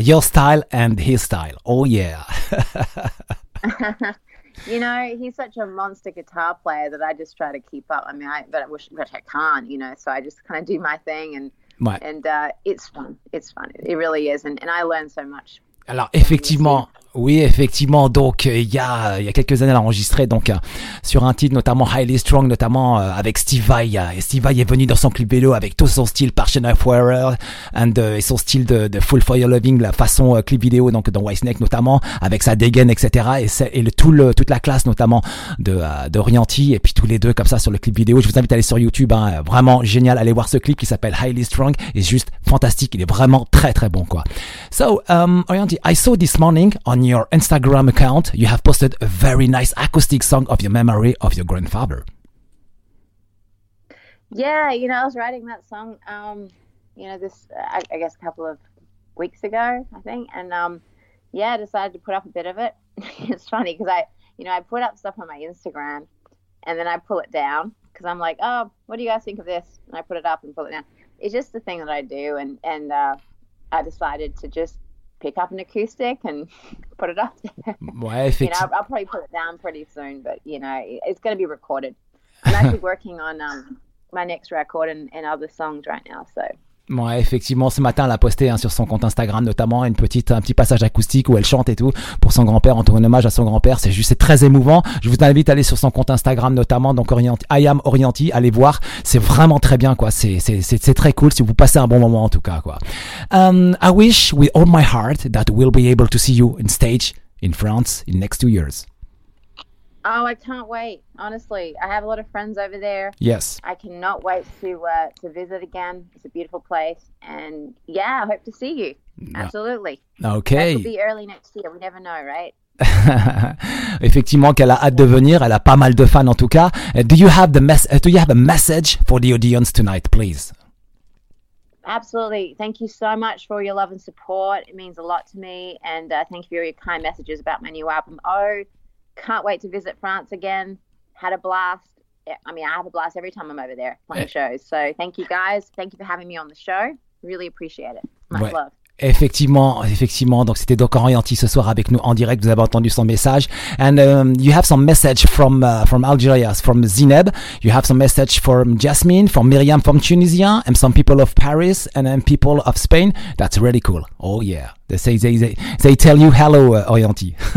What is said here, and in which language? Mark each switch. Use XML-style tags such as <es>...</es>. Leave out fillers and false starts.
<en>Your style and his style. Oh yeah. You know, he's such a monster guitar player that I just try to keep up. I mean, but I can't. You know, so I just kind of do my thing and it's fun. It really is, and I learn so much.</en> <fr>Alors effectivement. Oui, effectivement. Donc, il y a quelques années, elle a enregistré donc sur un titre, notamment Highly Strong, notamment avec Steve Vai. Et Steve Vai est venu dans son clip vélo avec tout son style Passion of Warrior et son style de Full Fire Loving, la façon clip vidéo, donc dans Whitesnake notamment, avec sa dégaine, etc. Toute la classe, notamment d'Orienti, et puis tous les deux comme ça sur le clip vidéo. Je vous invite à aller sur YouTube. Hein, vraiment génial. Allez voir ce clip qui s'appelle Highly Strong. Et juste fantastique. Il est vraiment très, très bon, quoi.</fr> <en>So, Orienti, I saw this morning on your Instagram account, you have posted a very nice acoustic song of your memory of your grandfather. Yeah, you know, I was writing that song, I guess a couple of weeks ago, I think. And I decided to put up a bit of it. It's funny because I put up stuff on my Instagram and then I pull it down because I'm like, oh, what do you guys think of this? And I put it up and pull it down. It's just the thing that I do. And I decided to just pick up an acoustic and put it up there.</en> <fr>Ouais, effectivement.</fr> <en>You know, I'll probably put it down pretty soon, but you know, it's going to be recorded. I'm actually working on my next record and other songs right now, so.</en> <fr>Ouais, effectivement, ce matin, elle a posté hein, sur son compte Instagram, notamment, un petit passage acoustique où elle chante et tout pour son grand-père, en tournant hommage à son grand-père. C'est juste, c'est très émouvant. Je vous invite à aller sur son compte Instagram, notamment, donc I Am Orienti, allez voir. C'est vraiment très bien, quoi. C'est très cool si vous passez un bon moment, en tout cas, quoi.</fr> <en>I wish with all my heart that we'll be able to see you in stage in France in next 2 years. Oh, I can't wait. Honestly, I have a lot of friends over there. Yes. I cannot wait to visit again. It's a beautiful place. And yeah, I hope to see you. No. Absolutely. Okay. That could be early next year. We never know, right?</en> <fr>Effectivement, qu'elle a hâte de venir. Elle a pas mal de fans, en tout cas.</fr> <en>Do you have a message for the audience tonight, please? Absolutely. Thank you so much for your love and support. It means a lot to me. And thank you for your kind messages about my new album, Oh. Can't wait to visit France again. Had a blast. I mean, I have a blast every time I'm over there playing shows. So thank you guys. Thank you for having me on the show. Really appreciate it. Much love.</en> <fr>Effectivement. Donc c'était donc Orienti ce soir avec nous en direct. Vous avez entendu son message.</fr> <en>And you have some message from Algeria, from Zineb. You have some message from Jasmine, from Miriam, from Tunisia, and some people of Paris and people of Spain. That's really cool. Oh yeah. They tell you hello, Orienti.</en>